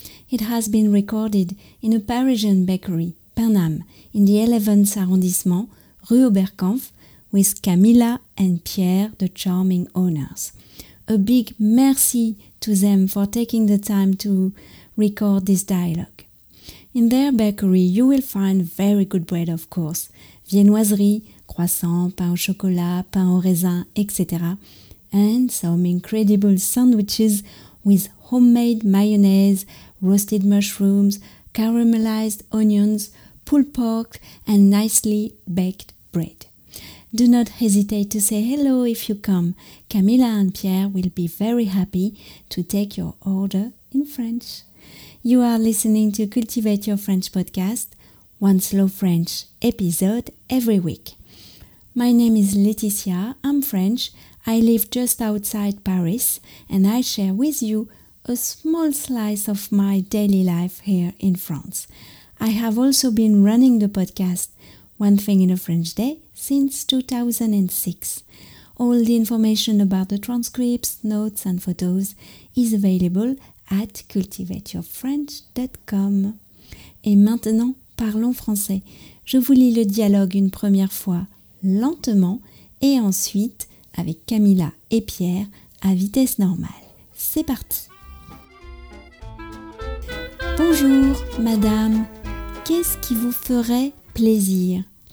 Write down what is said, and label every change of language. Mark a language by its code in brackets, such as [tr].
[en] It has been recorded in a Parisian bakery, Pain d'Âme, in the 11th arrondissement, Rue Oberkampf, with Camilla and Pierre, the charming owners. A big merci to them for taking the time to record this dialogue. In their bakery, you will find very good bread, of course. [fr] Viennoiserie, croissant, pain au chocolat, pain au raisin, etc. [en] And some incredible sandwiches with homemade mayonnaise, roasted mushrooms, caramelized onions, pulled pork, and nicely baked bread. Do not hesitate to say hello if you come. Camilla and Pierre will be very happy to take your order in French. You are listening to Cultivate Your French podcast, one slow French episode every week. My name is Laetitia, I'm French, I live just outside Paris, and I share with you a small slice of my daily life here in France. I have also been running the podcast One Thing in a French Day since 2006. All the information about the transcripts, notes and photos is available at cultivateyourfrench.com. [fr] Et maintenant, parlons français. Je vous lis le dialogue une première fois, lentement, et ensuite, avec Camilla et Pierre, à vitesse normale. C'est parti! Bonjour, madame. Qu'est-ce qui vous ferait plaisir?